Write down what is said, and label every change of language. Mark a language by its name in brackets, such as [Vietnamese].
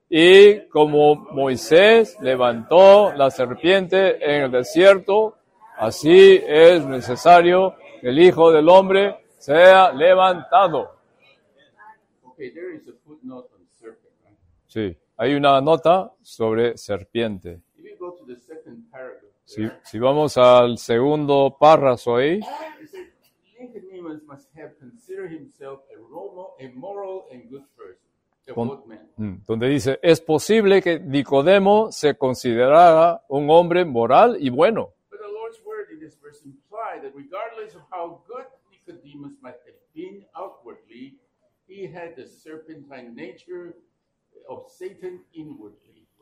[Spanish] Y como Moisés levantó la serpiente en el desierto, así es necesario que el Hijo del Hombre sea levantado. [English] Okay, there is a footnote on serpent, right? [Spanish] Sí, hay una nota sobre serpiente. [English] If you go to the second paragraph, [Spanish] si vamos al segundo párrafo ahí. [English] Nicodemus must have considered himself a moral and good person. [Spanish] donde dice, es posible que Nicodemo se considerara un hombre moral y bueno. [English] But the Lord's word in this verse implies that regardless of how good Nicodemus might have been outwardly, he had the serpentine nature of Satan inwardly.